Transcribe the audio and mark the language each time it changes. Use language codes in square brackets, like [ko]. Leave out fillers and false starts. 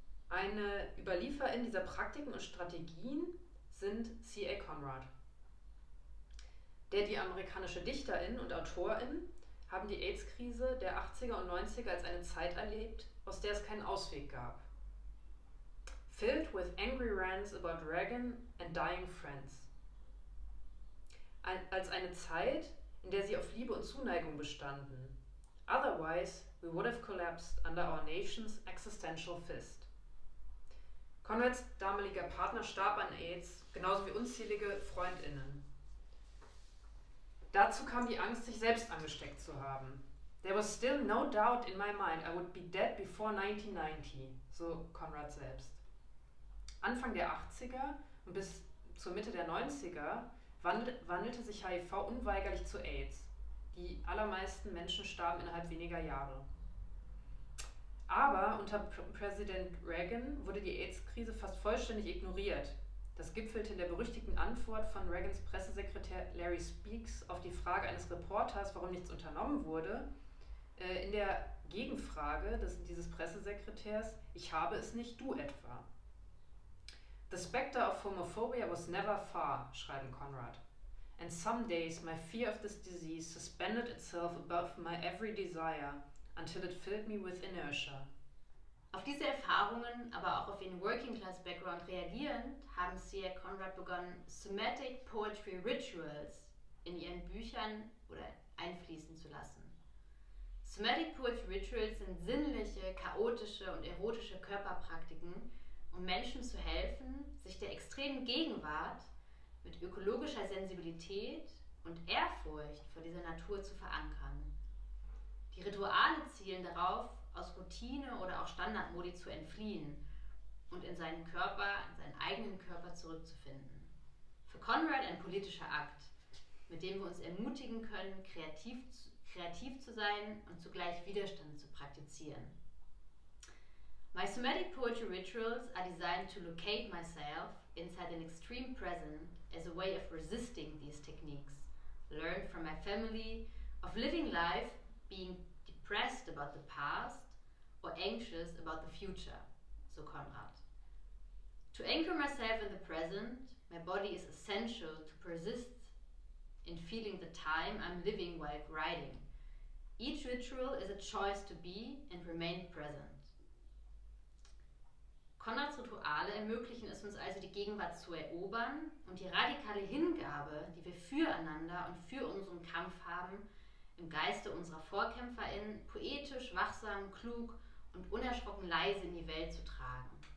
[de] Eine Überlieferin dieser Praktiken und Strategien sind C.A. Conrad. Der die amerikanische Dichterin und Autorin haben die AIDS-Krise der 80er und 90er als eine Zeit erlebt, aus der es keinen Ausweg gab. [en] Filled with angry rants about Reagan and dying friends. [de] als eine Zeit, in der sie auf Liebe und Zuneigung bestanden. [en] Otherwise, we would have collapsed under our nation's existential fist. [de] Conrads damaliger Partner starb an AIDS, genauso wie unzählige FreundInnen. Dazu kam die Angst, sich selbst angesteckt zu haben. [en] There was still no doubt in my mind I would be dead before 1990, [de] so Conrad selbst. Anfang der 80er und bis zur Mitte der 90er wandelte sich HIV unweigerlich zu AIDS. Die allermeisten Menschen starben innerhalb weniger Jahre. Aber unter Präsident Reagan wurde die AIDS-Krise fast vollständig ignoriert. Das gipfelte in der berüchtigten Antwort von Reagans Pressesekretär Larry Speaks auf die Frage eines Reporters, warum nichts unternommen wurde, in der Gegenfrage dieses Pressesekretärs: Ich habe es nicht, du etwa. [en] The specter of homophobia was never far, [de] schreiben Conrad. [en] And some days my fear of this disease suspended itself above my every desire until it filled me with inertia. [de] Auf diese Erfahrungen, aber auch auf ihren Working-Class-Background reagierend, haben C.A. Conrad begonnen, Somatic Poetry Rituals in ihren Büchern oder einfließen zu lassen. Somatic Poetry Rituals sind sinnliche, chaotische und erotische Körperpraktiken, um Menschen zu helfen, sich der extremen Gegenwart mit ökologischer Sensibilität und Ehrfurcht vor dieser Natur zu verankern. Die Rituale zielen darauf, aus Routine oder auch Standardmodi zu entfliehen und in seinen Körper, in seinen eigenen Körper zurückzufinden. Für Conrad ein politischer Akt, mit dem wir uns ermutigen können, kreativ zu sein und zugleich Widerstand zu praktizieren. [en] My somatic poetry rituals are designed to locate myself inside an extreme present as a way of resisting these techniques, learned from my family, of living life, being depressed about the past or anxious about the future, [de] so Conrad. [en] To anchor myself in the present, my body is essential to persist in feeling the time I'm living while writing. Each ritual is a choice to be and remain present. [de] Conrads Rituale ermöglichen es uns also, die Gegenwart zu erobern und die radikale Hingabe, die wir füreinander und für unseren Kampf haben, im Geiste unserer VorkämpferInnen poetisch, wachsam, klug und unerschrocken leise in die Welt zu tragen.